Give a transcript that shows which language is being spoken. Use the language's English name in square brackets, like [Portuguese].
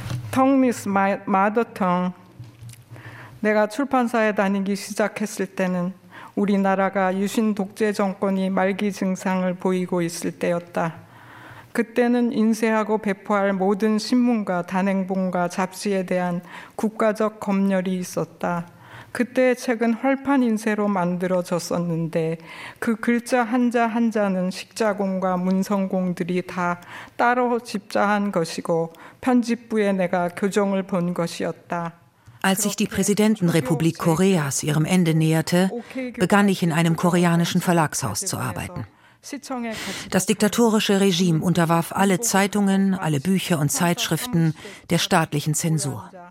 [English] Tongue is my mother tongue. [Korean] 내가 출판사에 다니기 시작했을 때는 우리나라가 유신 독재 정권이 말기 증상을 보이고 있을 때였다. 그때는 인쇄하고 배포할 모든 신문과 단행본과 잡지에 대한 국가적 검열이 있었다. 그때의 책은 활판 인쇄로 만들어졌었는데 그 글자 한자 한자는 식자공과 문성공들이 다 따로 집자한 것이고 편집부에 내가 교정을 본 것이었다. [German] Als sich die Präsidentenrepublik Koreas ihrem Ende näherte, begann ich in einem koreanischen Verlagshaus zu arbeiten. Das diktatorische Regime unterwarf alle Zeitungen, alle Bücher und Zeitschriften der staatlichen Zensur.